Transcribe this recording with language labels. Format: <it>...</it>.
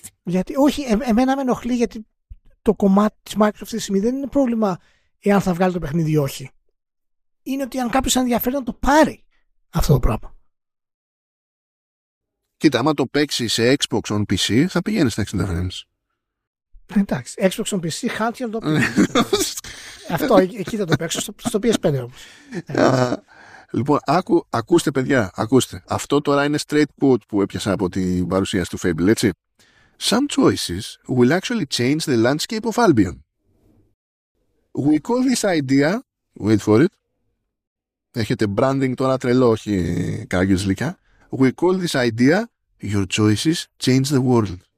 <el>Γιατί όχι, εμένα με ενοχλεί, γιατί το κομμάτι της Microsoft αυτή τη στιγμή δεν είναι πρόβλημα εάν θα βγάλει το παιχνίδι ή όχι. Είναι ότι αν κάποιος ενδιαφέρει να το πάρει αυτό το πράγμα. Κοίτα, άμα το παίξει σε Xbox on PC, θα πηγαίνει στα 60 frames. Εντάξει, Xbox on PC, handheld το πηγαίνει. Αυτό, εκεί θα το παίξω, στο PS5 όμως. Λοιπόν, ακούστε παιδιά, ακούστε. Αυτό τώρα είναι straight quote που έπιασα από την παρουσίαση του Fable, έτσι.</el> <en>Some choices will actually change the landscape of Albion. We call this idea, wait for it,</en> <el>έχετε branding τώρα τρελό, όχι κάποιος λυκιά.</el> <en>We call this idea, your choices change the world.</en>